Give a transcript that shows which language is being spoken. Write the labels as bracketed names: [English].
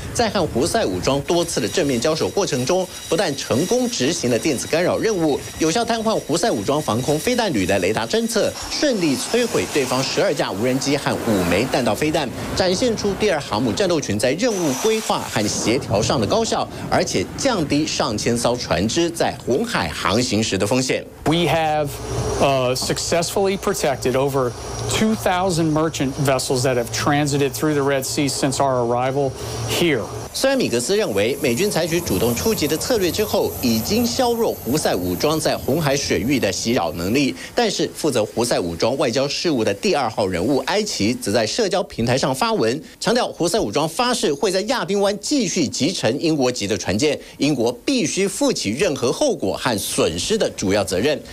[Chinese] 在和胡塞武装多次的正面交手过程中，不但成功执行了电子干扰任务，有效瘫痪胡塞武装防空飞弹旅的雷达侦测，顺利摧毁对方12架无人机和5枚弹道飞弹，展现出第二航母战斗群在任务规划和协调上的高效，而且降低1,000艘船只在红海航行时的风险。 [English] We have successfully protected over 2,000 merchant vessels that have transited through the Red Sea since our arrival here. [Chinese] 虽然米格斯认为，美军采取主动出击的策略之后，已经削弱胡塞武装在红海水域的袭扰能力，但是负责胡塞武装外交事务的第二号人物埃奇则在社交平台上发文，强调胡塞武装发誓会在亚丁湾继续击沉英国籍的船舰，英国必须负起任何后果和损失的主要责任。